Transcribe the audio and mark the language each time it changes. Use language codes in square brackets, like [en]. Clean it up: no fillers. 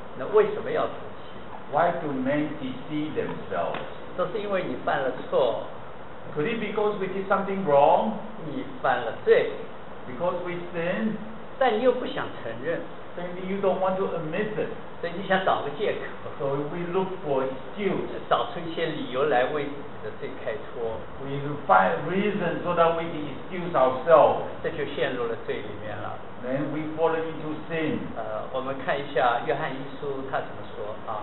[zh] 那为什么要赌气? [en] Why do men deceive themselves? [zh] 这是因为你犯了错。 [en] Could it be because we did something wrong? [zh] 你犯了罪。 [en] Because we sinned? [zh] 但你又不想承认。 [en] Then you don't want to admit it. [zh] 所以你想找个借口。 [en] So we look for excuse. [zh] 找出一些理由来为自己的罪开脱。 [en] We find reason so that we can excuse ourselves. [zh] 这就陷入了罪里面了。 [en] Then we fall into sin. [zh] 我们看一下约翰一书他怎么说啊。